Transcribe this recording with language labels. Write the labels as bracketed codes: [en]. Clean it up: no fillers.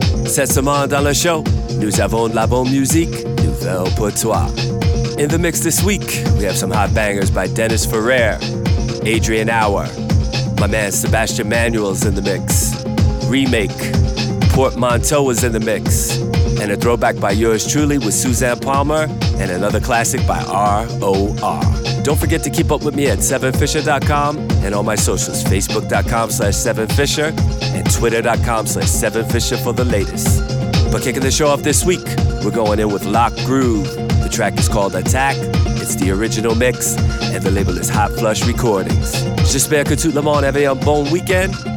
[fr] Cette semaine dans le show, nous avons de la bonne musique. Pour toi. [en] In the mix this week, we have some hot bangers by Dennis Ferrer, Adrian Auer, my man Sebastian Manuel's in the mix, Remake, Portmanteau is in the mix, and a throwback by yours truly with Suzanne Palmer, and another classic by R.O.R. Don't forget to keep up with me at 7fisher.com and all my socials, facebook.com/7fisher and twitter.com/7fisher for the latest. But kicking the show off this week, we're going in with Lock Groove. The track is called Attack. It's the original mix, and the label is Hot Flush Recordings. [fr] J'espère que tout le monde avait un bon weekend.